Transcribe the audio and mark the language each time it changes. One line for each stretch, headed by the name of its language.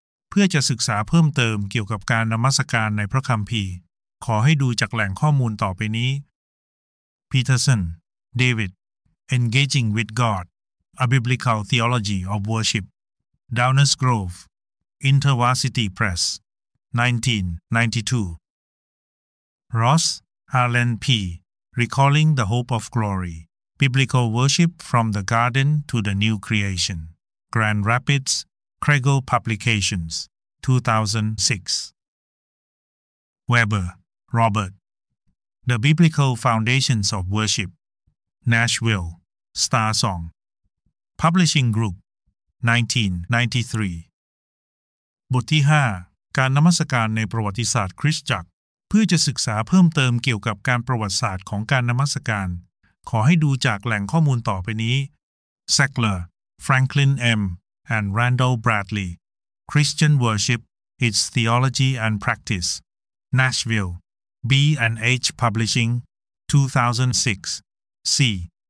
Thai: เพื่อจะศึกษาเพิ่มเติมเกี่ยวกับการนมัสการในพระคัมภีร์ขอให้ดูจากแหล่งข้อมูลต่อไปนี้
English: Peterson David Engaging with God A Biblical Theology of Worship Downers Grove InterVarsity Press 1992 Ross Allen
Thai: P.
English: Recalling the Hope of Glory Biblical Worship from the Garden to the New Creation. Grand Rapids, Crego Publications, 2006. Weber, Robert. The Biblical Foundations of Worship. Nashville, Star Song. Publishing Group, 1993.
Thai: บทที่ 5. การนมัสการในประวัติศาสตร์คริสตจักรเพื่อจะศึกษาเพิ่มเติมเกี่ยวกับการประวัติศาสตร์ของการนมัสการขอให้ดูจากแหล่งข้อมูลต่อไปนี้ Segler, Franklin M.
English: and Randall Bradley Christian Worship, Its Theology and Practice Nashville, B&H Publishing, 2006 C.